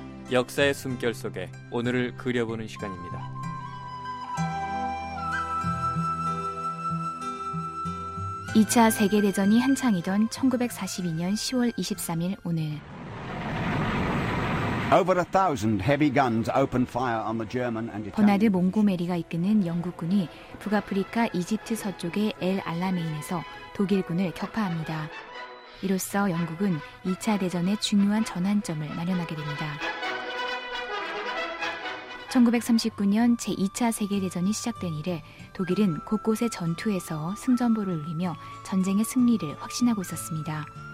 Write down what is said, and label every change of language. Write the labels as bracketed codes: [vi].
[ko] 역사의 숨결 속에 오늘을 그려보는 시간입니다. 2차 세계대전이 한창이던 1942년 10월 23일 오늘. [en] Over a thousand heavy guns opened fire on the German and Italian. [ko] 버나드 몽고메리가 이끄는 영국군이 북아프리카 이집트 서쪽의 엘 알라메인에서 독일군을 격파합니다. 이로써 영국은 2차 대전의 중요한 전환점을 마련하게 됩니다. 1939년 제2차 세계대전이 시작된 이래 독일은 곳곳의 전투에서 승전보를 올리며 전쟁의 승리를 확신하고 있었습니다.